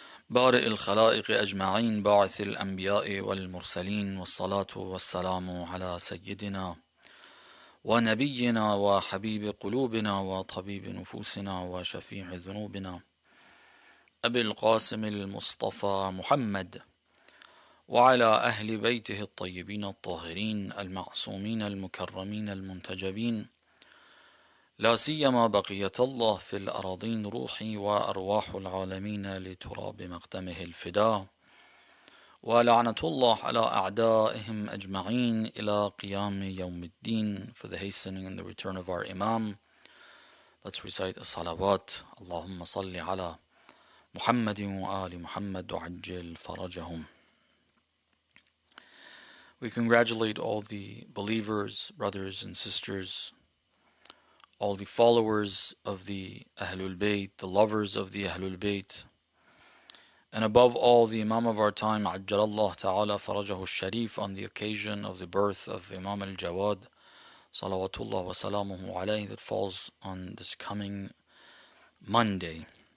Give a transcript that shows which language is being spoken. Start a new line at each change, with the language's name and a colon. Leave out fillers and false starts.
Arabic: بارئ الخلائق أجمعين باعث الأنبياء والمرسلين والصلاة والسلام على سيدنا ونبينا وحبيب قلوبنا وطبيب نفوسنا وشفيع ذنوبنا أبي القاسم المصطفى محمد وعلى أهل بيته الطيبين الطاهرين المعصومين المكرمين المنتجبين لا سيما بقية الله في الأراضين روحي وأرواح العالمين لتراب مقدمه الفداء، ولعنة الله على أعدائهم أجمعين إلى قيام يوم الدين.
English: For the hastening and the return of our Imam, let's recite الصلوات.
Arabic: اللهم صل على محمد وآل محمد وعجل فرجهم.
English: We congratulate all the believers, brothers and sisters, all the followers of the Ahlul Bayt, the lovers of the Ahlul Bayt, and above all the Imam of our time, Ajjalallah Ta'ala Farajahu Sharif, on the occasion of the birth of Imam Al-Jawad, Salawatullah wa Salamuhu Alayhi, that falls on this coming Monday.